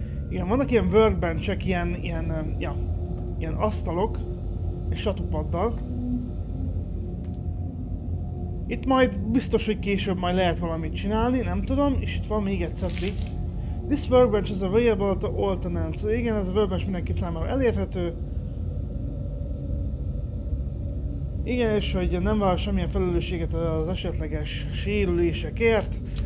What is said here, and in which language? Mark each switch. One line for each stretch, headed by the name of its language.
Hungarian: Igen, vannak ilyen workbench-ek, ilyen asztalok, és satupaddal. Itt majd biztos, hogy később majd lehet valamit csinálni, nem tudom, és itt van még egy cetli.
English: This workbench is available to all tenants.
Hungarian: Igen, ez a workbench mindenki számára elérhető. Igen, és hogy nem vállal semmilyen felelősséget az esetleges sérülésekért.